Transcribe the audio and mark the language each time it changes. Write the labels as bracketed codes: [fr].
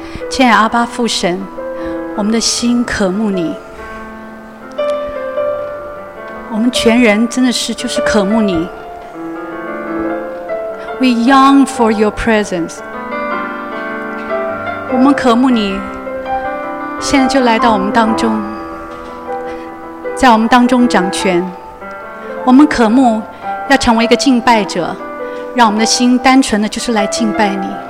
[zh] 亲爱阿爸父神，我们的心渴慕你，我们全人真的是就是渴慕你。 [en] We yearn for your presence. [zh] 我们渴慕你，现在就来到我们当中，在我们当中掌权。我们渴慕要成为一个敬拜者，让我们的心单纯的就是来敬拜你。